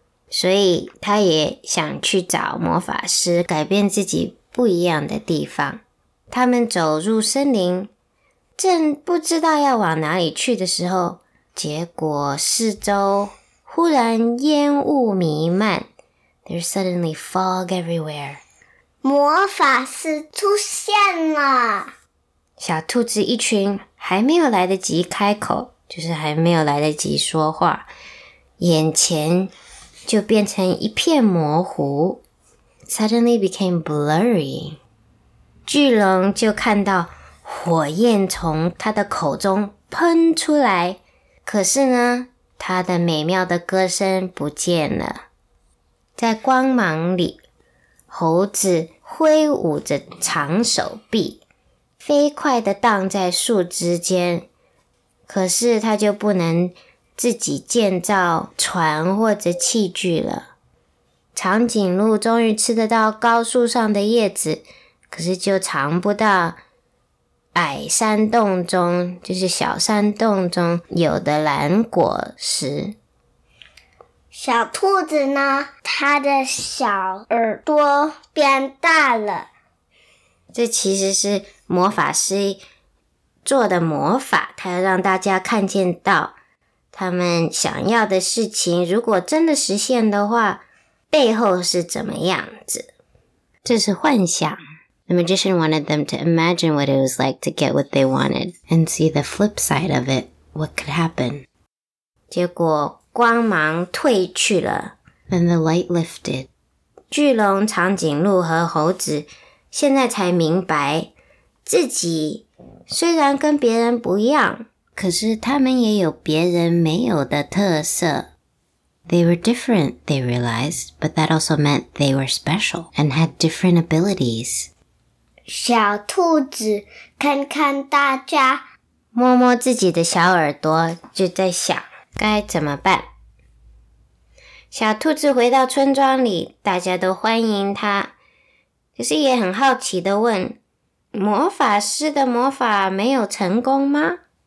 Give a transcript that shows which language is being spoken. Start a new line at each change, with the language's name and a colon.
Chinese: 所以它也想去找魔法师，改变自己不一样的地方。他们走入森林，正不知道要往哪里去的时候，结果四周忽然烟雾弥漫。
English: There's suddenly fog everywhere.
Chinese: 魔法师出现了。小兔子一群还没有来得及开口，就是还没有来得及说话，眼前就变成一片模糊。
English: Suddenly became blurry.
Chinese: 巨龙就看到火焰从他的口中喷出来，可是呢，他的美妙的歌声不见了。在光芒里，猴子挥舞着长手臂，飞快地荡在树枝间，可是他就不能自己建造船或者器具了。长颈鹿终于吃得到高树上的叶子，可是就尝不到矮山洞中，就是小山洞中有的蓝果实。小兔子呢，它的小耳朵变大了。这其实是魔法师做的魔法，他要让大家看见到他们想要的事情，如果真的实现的话，背后是怎么样子。这是幻想。
English: The magician wanted them to imagine what it was like to get what they wanted and see the flip side of it, what could happen.
Chinese: 结果光芒退去了。
English: Then the light lifted.
Chinese: 巨龙、长颈鹿和猴子现在才明白，自己虽然跟别人不一样，可是他们也有别人没有的特色。
English: They were different, they realized, but that also meant they were special and had different abilities.
Chinese: 小兔子看看大家，摸摸自己的小耳朵，就在想该怎么办。小兔子回到村庄里，大家都欢迎他，可是也很好奇地问，魔法师的魔法没有成功吗？